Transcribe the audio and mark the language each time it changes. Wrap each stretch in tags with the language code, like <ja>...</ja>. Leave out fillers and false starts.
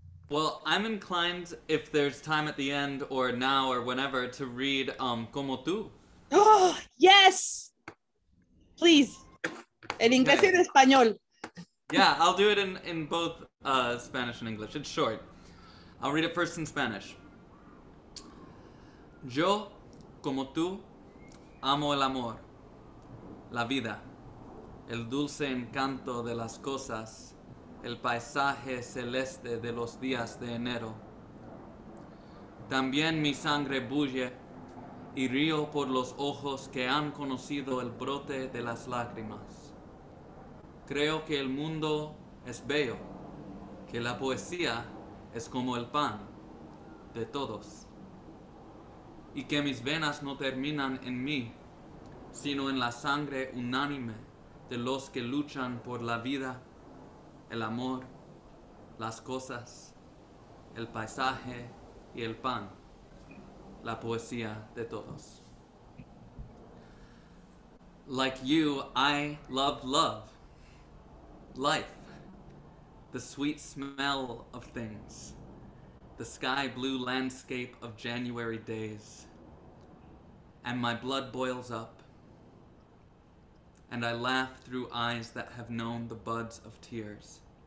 <en>Well, I'm inclined, if there's time at the end or now or whenever, to read Como Tú. Oh, yes! Please.</en> <es>En inglés y en español.</es> <en>Yeah, I'll do it in both Spanish and English. It's short. I'll read it first in Spanish.</en> <es>Yo, como tú, amo el amor, la vida, el dulce encanto de las cosas, el paisaje celeste de los días de enero. También mi sangre bulle y río por los ojos que han conocido el brote de las lágrimas. Creo que el mundo es bello, que la poesía es como el pan de todos. Y que mis venas no terminan en mí, sino en la sangre unánime de los que luchan por la vida, el amor, las cosas, el paisaje y el pan, la poesía de todos.</es> <en>Like you, I love love, life, the sweet smell of things, the sky blue landscape of January days. And my blood boils up, and I laugh through eyes that have known the buds of tears.</en>